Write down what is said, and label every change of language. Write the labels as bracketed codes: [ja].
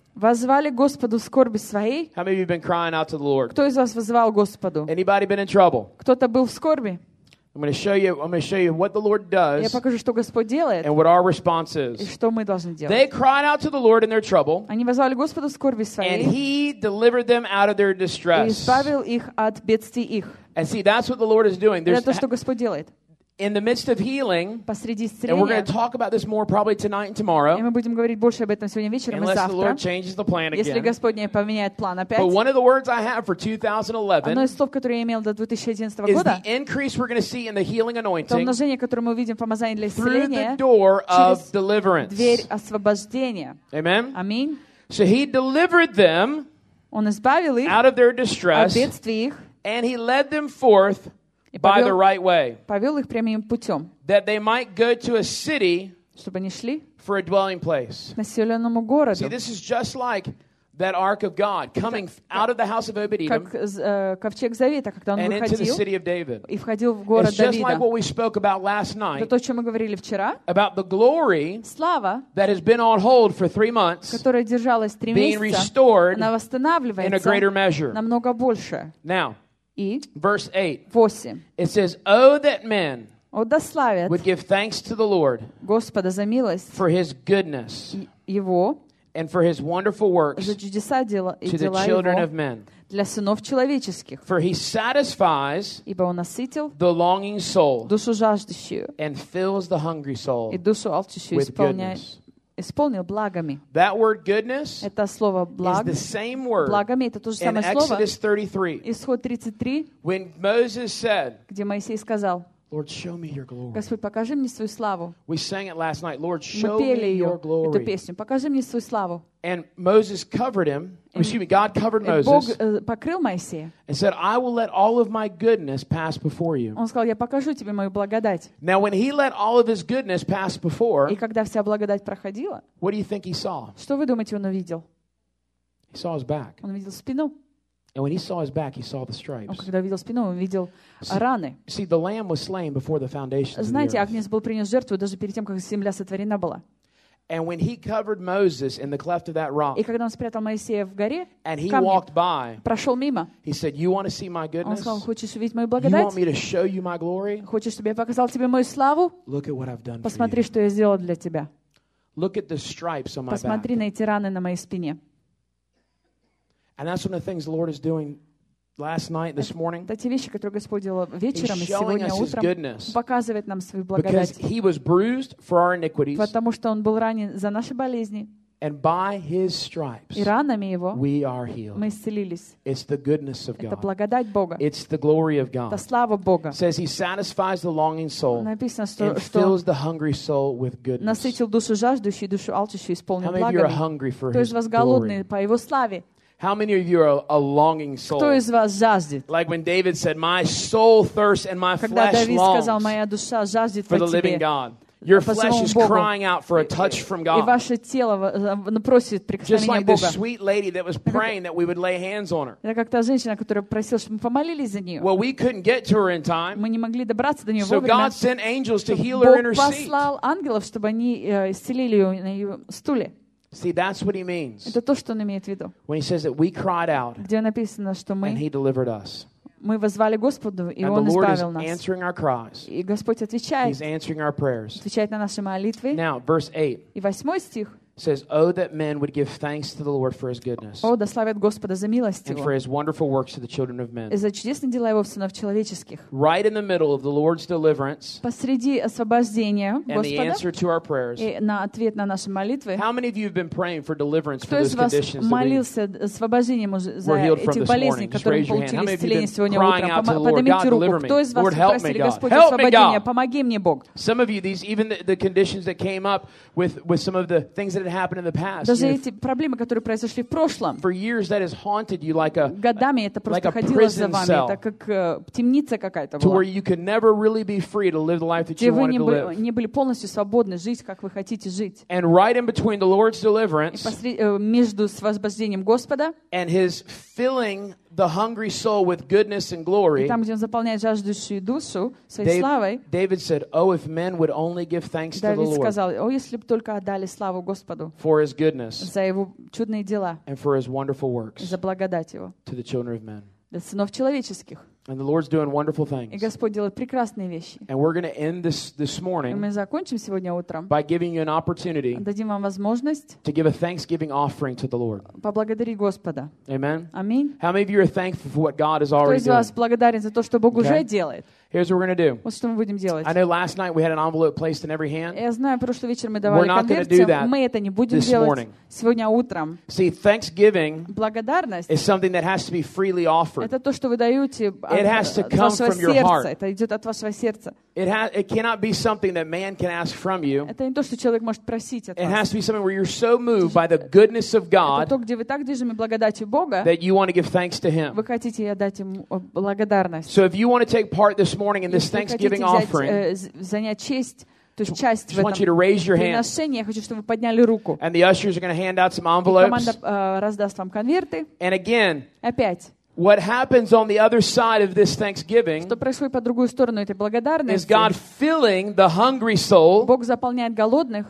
[ru] Воззвали Господу в скорби своей. [en] How many of you have been crying out to the Lord? [ru] Кто из вас воззвал Господу? [en] Anybody been in trouble? [ru] Кто-то был в скорби? [en] I'm going to show you what the Lord does. [ru] Я покажу, что Господь делает. [en] And what our response is. [ru] И что мы должны делать? [en] They cried out to the Lord in their trouble. [ru] Они воззвали Господу в скорби своей. [en] And he delivered them out of their distress. [ru] И избавил их от бедствий их. [en] And see, that's what the Lord is doing. [ru] Это то, что Господь делает. [en] In the midst of healing, [ru] посреди исцеления, [en] and we're going to talk about this more probably tonight and tomorrow. [ru] И мы будем говорить больше об этом сегодня вечером и завтра. [en] Unless the Lord changes the plan again. [ru] Если Господь не поменяет план опять. [en] But one of the words I have for 2011. [ru] Одно из слов, которые я имел до 2011 года. [en] Is the increase we're going to see in the healing anointing. [ru] То умножение, которое мы увидим в помазании для исцеления. [en] Through the door of deliverance. [ru] Через дверь освобождения. [en] Amen. Amen. So He delivered them. [ru] Он избавил их. [en] Out of their distress. [ru] От бедствий их. [en] And He led them forth. By the right way. [ru] Повёл их прямым путём. [en] That they might go to a city. [ru] Чтобы они шли. [en] For a dwelling place. [ru] Населённому городу. [en] See, this is just like that ark of God coming out of the house of Obed-Edom. [ru] Как ковчег Завета, когда он выходил. [en] And into the city of David. [ru] И входил в город Давида. [en] It's just like what we spoke about last night. [ru] То, о чём мы говорили вчера. [en] About the glory. [ru] Слава. [en] That has been on hold for 3 months. [ru] Которая держалась 3 месяца. [en] Being restored. [ru] Она восстанавливается. [en] In a greater measure. [ru] Намного больше. [en] Now. Verse 8. It says, "O that men would give thanks to the Lord [ru] Господа за милость, [en] for His goodness [ru] его, [en] and for His wonderful works [ru] за чудеса, дела, [en] to the children [ru] его, [en] of men, [ru] для сынов человеческих. [en] For He satisfies [ru] ибо он насытил [en] the longing soul [ru] душу жаждущую, [en] and fills the hungry soul [ru] и душу алчущую [en] with goodness." [ru] Исполнил благами. [en] That word goodness [ru] это слово благ, [en] is the same word [ru] благами, это то же самое [en] in [ru] слово, [en] Exodus 33, [ru] Исход 33, [en] when Moses said, [ru] где Моисей сказал, [en] Lord, show me your glory. [ru] Господь, покажи мне свою славу. [en] We sang it last night. Lord, show me your glory. [ru] Эту песню. Покажи мне свою славу. [en] And Moses covered him. Excuse me, God covered Moses. [ru] Бог покрыл Моисея. [en] And said, I will let all of my goodness pass before you. [ru] Он сказал, я покажу тебе мою благодать. [en] Now, when he let all of his goodness pass before, [ru] и когда вся благодать проходила, [en] what do you think he saw? [ru] Что вы думаете, он увидел? [en] He saw his back. [ru] Он увидел спину. [en] And when he saw his back, he saw the stripes. [ru] Он когда видел спину, он видел раны. [en] See, the lamb was slain before the foundation of the [ru] earth. Знаете, агнец был принес жертву даже перед тем, как земля сотворена была. [en] And when he covered Moses in the cleft of that rock. [ru] И когда он спрятал Моисея в горе, [en] and he walked by. [ru] Прошел мимо. [en] He said, "You want to see my goodness?" [ru] Он сказал, хочешь увидеть мою благодать? [en] You want me to show you my glory? [ru] Хочешь, чтобы я показал тебе мою славу? [en] Look at what I've done. [ru] Посмотри, что я сделал для тебя. [en] Look at the stripes on my back. [ru] Посмотри на эти раны на моей спине. [en] And that's one of the things the Lord is doing last night, this morning. [ru] Это те вещи, которые Господь делал вечером и сегодня утром. [en] Goodness, [ru] показывает нам свою благодать. [en] Because He was bruised for our iniquities. [ru] Потому что он был ранен за наши болезни. [en] And by His stripes, [ru] и ранами его, [en] we are healed. [ru] Мы исцелились. [en] It's the goodness of God. [ru] Это благодать Бога. [en] It's the glory of God. [ru] Это слава Бога. [en] Says He satisfies the longing soul. [ru] Написано, что [en] and fills the hungry soul with goodness. [ru] Насытил душу жаждущую, душу алчущую, исполнил благами. [en] How many of you are hungry for [ru] Кто [en] His [ru] из вас голодный [en] glory? [ru] По Его славе? [en] How many of you are a longing soul? [ru] Кто из вас жаждет? [en] Like when David said, "My soul thirsts and my [ru] Когда [en] flesh [ru] Давид [en] longs [ru] сказал, "Моя душа жаждет [en] for the living God." Your flesh is crying out for a touch from God. [ru] И ваше тело просит прикосновения [en] Бога. Just like the sweet lady that was praying that we would lay hands on her. [ru] Это как та женщина, которая просила, чтобы мы помолились за нее. [en] Well, we couldn't get to her in time. [ru] Мы не могли добраться до нее вовремя. [en] So God sent angels to heal her in her seat. [ru] Бог послал ангелов, чтобы они исцелили ее на ее стуле. [en] See, that's what he means. [ru] Это то, что он имеет в виду. [en] When he says that we cried out, [ru] где написано, что мы, [en] and he delivered us. [ru] Мы воззвали Господу, и [en] Now, [ru] он [en] the Lord [ru] избавил [en] is [ru] нас. [en] Answering our cries. [ru] И Господь отвечает. [en] He's answering our prayers. [ru] Отвечает на наши молитвы. [en] Now, verse 8. [ru] И восьмой стих. [en] Says, "O that men would give thanks to the Lord for His goodness." [ru] О, да славят Господа за милость Его. [en] And for His wonderful works to the children of men. [ru] И за чудесные дела Его сынов человеческих. [en] Right in the middle of the Lord's deliverance. [ru] Посреди освобождения Господа. [en] And the answer to our prayers. [ru] И на ответ на наши молитвы. [en] How many of you have been praying for deliverance for those conditions? [ru] Кто из вас молился освобождением за эти болезни, которые получили исцеление сегодня утром? Поднимите руку. Кто из вас просили Господа освобождения? Помоги мне, Бог. [en] Some of you, these even the conditions that came up with some of the things that that happened in the past. [ru] Даже эти проблемы, которые произошли в прошлом. [en] For years that has haunted you like a [ru] годами это просто ходило за вами, это как темница какая-то была. [en] To where you could never really be free to live the life that you wanted to live. [ru] Где вы не были полностью свободны жить, как вы хотите жить. [en] And right in between the Lord's deliverance [ru] между освобождением Господа [en] and his filling the hungry soul with goodness and glory. [ru] Там, где он заполняет жаждущую душу своей славой. [en] David said, "Oh, if men would only give thanks to the Lord." [ru] Давид сказал: "О, если бы только отдали славу Господу." [en] For his goodness. [ru] За его чудные дела. [en] And for his wonderful works. [ru] За благодать его. [en] To the children of men. [ru] Для сынов человеческих. [en] And the Lord's doing wonderful things. [ru] И Господь делает прекрасные вещи. [en] And we're going to end this morning. [ru] И мы закончим сегодня утром. [en] By giving you an opportunity. [ru] Дадим вам возможность. [en] To give a thanksgiving offering to the Lord. [ru] Поблагодарить Господа. [en] Amen. Аминь. How many of you are thankful for what God is already doing? [ru] Кто из вас благодарен за то, что Бог уже делает? [en] Here's what we're going to do. [ru] Вот что мы будем делать. [en] I know last night we had an envelope placed in every hand. [ru] Я знаю, прошлый вечер мы давали конверты. Мы это не будем делать сегодня утром. [en] See, thanksgiving благодарность is something that has to be freely offered. [ru] Это то, что вы даете от вашего сердца. Это идет от вашего сердца. [en] It cannot be something that man can ask from you. Это не то, что человек может просить от вас. It has to be something where you're so moved by the goodness of God. [ru] Это то, где вы так движимы благодатью Бога. [en] That you want to give thanks to Him. [ru] Вы хотите отдать ему благодарность. [en] So if you want to take part this morning in this thanksgiving offering, [ru] занять честь, то есть часть в этом. [en] I want you to raise your hand. [ru] Я хочу, чтобы вы подняли руку. [en] And the ushers are going to hand out some envelopes. [ru] Команда раздаст вам конверты. [en] And again, опять. What happens on the other side of this thanksgiving? [ru] Что происходит по другую сторону этой благодарности? [en] Is God filling the hungry soul? [ru] Бог заполняет голодных.